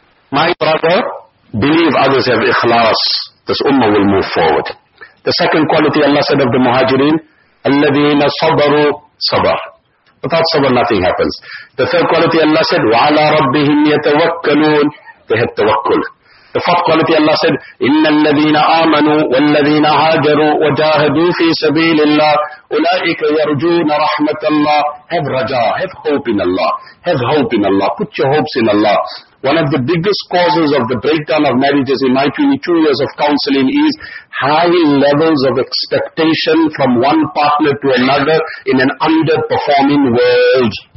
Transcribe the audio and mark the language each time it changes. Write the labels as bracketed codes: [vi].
[en] My brother, believe others have ikhlas. This ummah will move forward. The second quality Allah said of the muhajirin, [ar] الَّذِينَ صَبَرُوا صَبَرُ. [en] Without sabr, nothing happens. The third quality Allah said, [ar] وَعَلَىٰ رَبِّهِمْ يَتَوَكَّلُونَ. [en] They had tawakkul. The fourth quality Allah said, [ar] إِنَّ الَّذِينَ آمَنُوا وَالَّذِينَ هَاجَرُوا وَجَاهَدُوا فِي سَبِيلِ اللَّهِ أُولَٰئِكَ يَرْجُونَ رَحْمَةَ اللَّهِ. [en] Have raja, have hope in Allah. Have hope in Allah. Put your hopes in Allah. One of the biggest causes of the breakdown of marriages in my 22 years of counseling is high levels of expectation from one partner to another in an underperforming world.